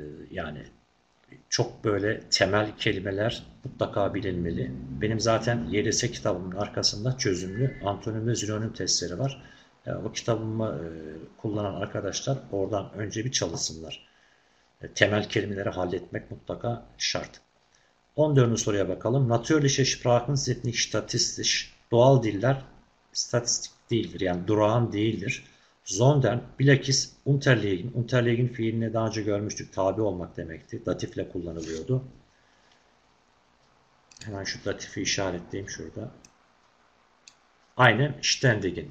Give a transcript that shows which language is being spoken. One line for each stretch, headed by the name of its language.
Turkish: Yani çok böyle temel kelimeler mutlaka bilinmeli. Benim zaten YDS kitabımın arkasında çözümlü antonim ve sinonim testleri var. O kitabımı kullanan arkadaşlar oradan önce bir çalışsınlar. Temel kelimeleri halletmek mutlaka şart. 14. soruya bakalım.
German: Natürliche Sprachen sind nicht statistisch.
Turkish: Doğal diller statistik değildir. Yani durağan değildir. Sondern bilakis unterlegen. Unterlegen fiilini daha önce görmüştük. Tabi olmak demekti. Datifle kullanılıyordu. Hemen şu datifi işaretleyeyim şurada. Aynen ständigen.